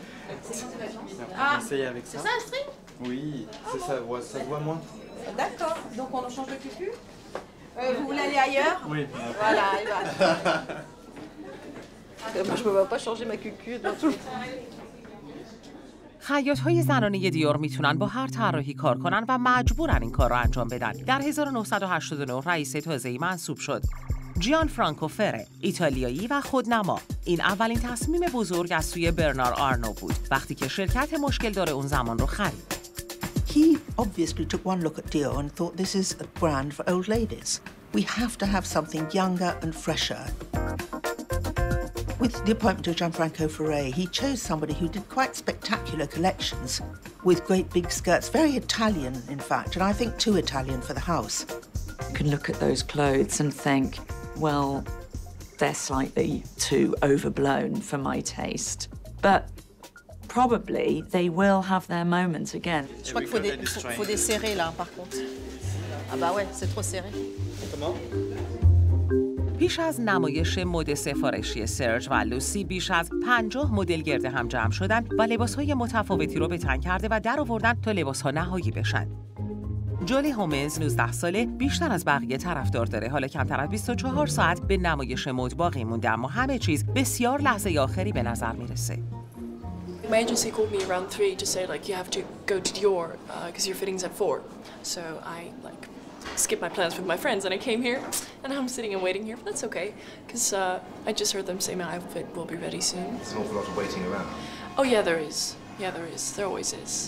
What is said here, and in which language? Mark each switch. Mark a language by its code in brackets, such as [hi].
[fr] Ah, essayez avec c'est ça. C'est ça un string? Oui, c'est ça. Ouais, ça voit moins. D'accord. Donc on change de cucu. Vous voulez aller ailleurs? Oui. Voilà. Moi, je ne peux pas changer ma cucu dans tout. [fa] خیاط‌های زنانه دیور میتونن با هر طراحی کار کنن و مجبورن این کار رو انجام بدن. در 1989 رئیس تازه‌ای منصوب شد. جیان فرانکو فره، ایتالیایی و خودنما. این اولین تصمیم بزرگ از سوی برنار آرنو بود وقتی که شرکت مشکل داره اون زمان رو خرید. [en] He obviously took one look at Dior and thought this is a brand for old ladies. We have to have something younger and fresher. With the appointment of Gianfranco Ferré, he chose somebody who did quite spectacular collections with great big skirts, very Italian, in fact, and I think too Italian for the house. You can look at those clothes and think, well, they're slightly too overblown for my taste. But probably they will have their moments again. [fr] Je crois qu'il faut desserrer là, par contre. Ah bah ouais, c'est trop serré. Comment? [fa] پیش از نمایش مد سفارشی سرج و لوسی بیش از 50 مدل گرد هم جمع شدند و لباس‌های متفاوتی رو به تن کرده و درآوردن تا لباس‌ها نهایی بشن. جولی هومز 19 ساله بیشتر از بقیه طرفدار داره. حالا کمتر از 24 ساعت به نمایش مد باقی مونده اما همه چیز بسیار لحظه آخری به نظر میرسه. [en] My agency called me around 3 to say like you have to go to Dior because your fitting's at 4. So I like skipped my plans with my friends and I came here and I'm sitting and waiting here. But that's okay because I just heard them say my outfit will be ready soon. There's an awful lot of waiting around. Oh yeah, there is. Yeah, there is. There always is.